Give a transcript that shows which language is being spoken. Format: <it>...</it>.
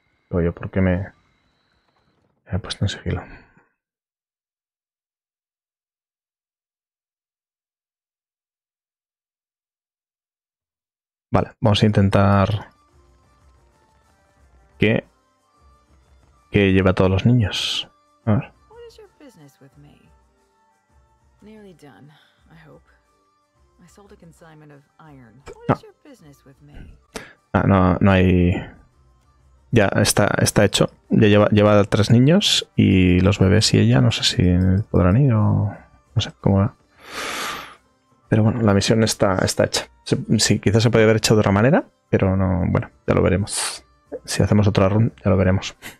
<es>Oye, ¿por qué me he puesto en sigilo? Vale, vamos a intentar que lleva a todos los niños. A ver.</es> <en>What is your business with me? Nearly done, I hope. I sold a consignment of iron. What is your business with me?</en> <es>Ah, no, no hay. Ya está hecho. Ya lleva a tres niños y los bebés y ella. No sé si podrán ir o no sé cómo va. Pero bueno, la misión está hecha. Sí, quizás se puede haber hecho de otra manera, pero no. Bueno, ya lo veremos. Si hacemos otra run, ya lo veremos.</es>